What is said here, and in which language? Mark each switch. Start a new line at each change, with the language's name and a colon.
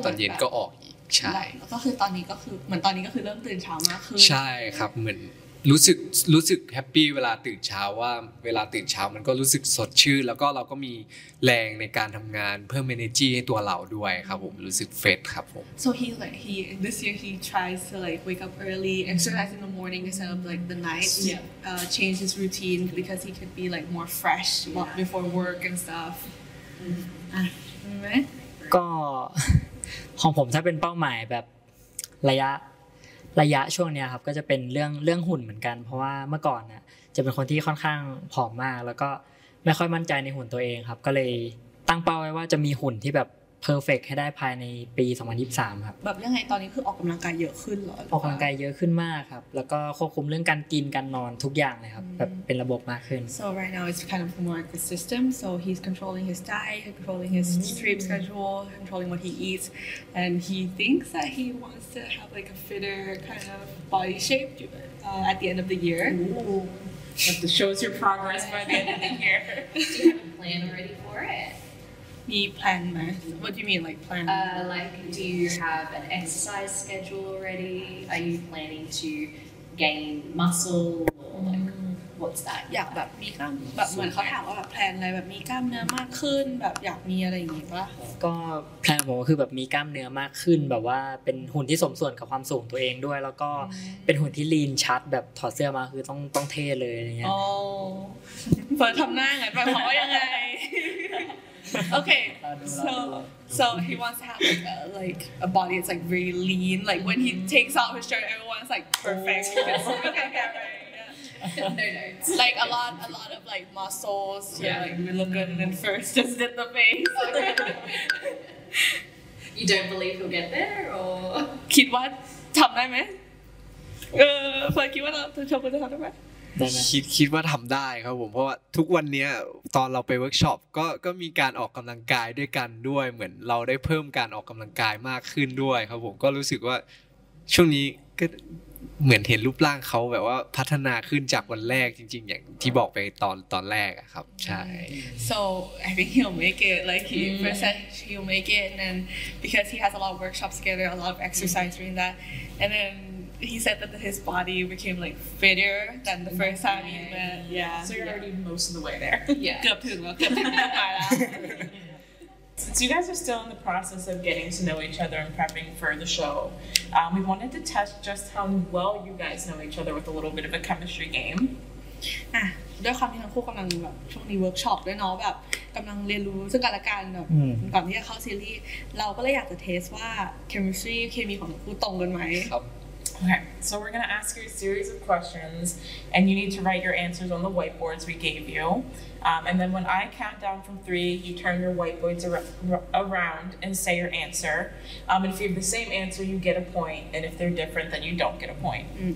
Thai: ตอนเย็นก็ออกอีกใช่ แล้วก็คือตอนนี้ก็คือเหมือนตอนนี้ก็คือเริ่มตื่นเช้ามากขึ้ น ใช่ครับเหมือนรู้สึกแฮปปี้เวลาตื่นเช้าว่าเวลาตื่นเช้ามันก็รู้สึกสดชื่นแล้วก็เราก็มีแรงในการทำงานเพิ่มเอเนจีให้ตัวเราด้วยครับผมรู้สึกเฟรชครับผม
English: so he like he this year he tries to like wake up early exercise in the morning instead of like the night yeah change his routine because he could be like more fresh before work and stuff
Thai: ก็ของผมถ้าเป็นเป้าหมายแบบระยะช่วงเนี้ยครับก็จะเป็นเรื่องหุ่นเหมือนกันเพราะว่าเมื่อก่อนน่ะจะเป็นคนที่ค่อนข้างผอมมากแล้วก็ไม่ค่อยมั่นใจในหุ่นตัวเองครับก็เลยตั้งเป้าไว้ว่าจะมีหุ่นที่แบบเพอร์เฟคให้ได้ภายในปี2023ครับ แบบยังไงตอนนี้คือออกกําลังกายเยอะขึ้นเหรอ ออกกําลังกายเยอะขึ้นมากครับแล้วก็ควบคุมเรื่องการกินการนอนทุกอย่างเลยครับแบบเป็นระบบมากขึ้น
English: so right now it's kind of more like a system so he's controlling his diet controlling his sleep schedule controlling what he eats and he thinks that he wants to have like a fitter kind of body shape at the end of the year ooh that shows your progress by the end of the year do you have a plan already for it Me plan my. What do you mean, like plan? Like, do you have an exercise schedule already? Are you planning to gain muscle? Or like, what's that?
Thai: อยากแบบมีกล้ามแบบเหมือนเขาถามว่าแบบแพลนอะไรแบบมีกล้ามเนื้อมากขึ้นแบบอยากมีอะไรอย่างงี้ป่ะ ก็แพลนผมก็คือแบบมีกล้ามเนื้อมากขึ้นแบบว่าเป็นหุ่นที่สมส่วนกับความสูงตัวเองด้วยแล้วก็เป็นหุ่นที่ลีนชัดแบบถอดเสื้อมาคือต้องเท่เลยอะไรเงี้ย โอ้เปิดทำหน้าไงไปขอยังไง
English: Okay, so he wants to have like a body that's like really lean. Like when he takes off his shirt, everyone's like perfect. Okay, yeah, right. Yeah. No. Like a lot of like muscles. Yeah, like we look good and then first just in the face. You don't believe he'll get there, or?
Thai: คิดว่าทำได้ไหม คิดว่าเราชมกันจะทำได้ไหม คิดว่าทําได้ครับผมเพราะว่าทุกวันเนี้ยตอนเราไปเวิร์คช็อปก็มีการออกกําลังกายด้วยกันด้วยเหมือนเราได้เพิ่มการออกกําลังกายมากขึ้นด้วยครับผมก็รู้สึกว่าช่วงนี้ก็เหมือนเห็นรูปร่างเค้าแบบว่าพัฒนาขึ้นจากวันแรกจริงๆอย่างที่บอกไปตอนแรกอ่ะครับใช่
English: So I think he'll make it like he first he'll make it and then because he has a lot of workshops together a lot of exercise during that and thenHe said that his body became like fitter than the first time he met. Yeah. So you're already most of the way there. Yeah. Good thing, good thing. Since you guys are still in the process of getting to know each other and prepping for the show, we wanted to test just how well you guys know each other with a little bit of a chemistry game.
Thai: ด้วยความที่ทั้งคู่กำลังแบบช่วงนี้เวิร์กช็อปด้วยเนาะแบบกำลังเรียนรู้ซึ่งกันและกันแบบก่อนที่จะเข้าซีรีส์เราก็เลยอยากจะเทสว่าเคมีของทั้งคู่ตรงกันไหม ครับ
English: Okay, so we're gonna ask you a series of questions, and you need to write your answers on the whiteboards we gave you. And then when I count down from three, you turn your whiteboards around and say your answer. And if you have the same answer, you get a point. And if they're different, then you don't get a point.